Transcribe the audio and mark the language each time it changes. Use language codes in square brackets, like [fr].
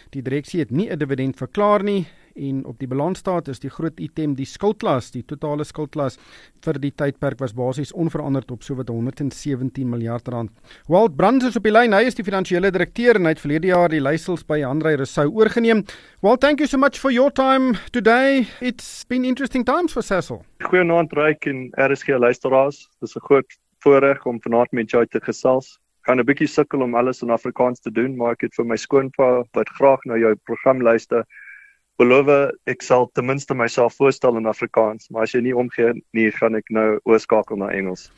[af] Die direksie het nie 'n dividend verklaar nie. En op die balansstaat is die groot item die skuldlas, die totale skuldlas vir die tydperk was basies onveranderd op sowat 117 miljard rand. Walt Brands is op die lyn, hy is die finansiële direkteur en hy het verlede jaar die leisels by Andre Rousseau oorgeneem. [en] Walt, thank you so much for your time today. It's been interesting times for Sasol. [af] Goeienaand Ryk en RSG luisteraars, dis 'n groot voorreg om vanaand met jou te gesels. Kan 'n bietjie sukkel om alles in Afrikaans te doen, maar ek het vir my skoonpa wat graag na jou program luister, beloof, ek sal ten minste myself voorstel in Afrikaans, maar as jy nie omgee nie, gaan ek nou oorskakel na Engels.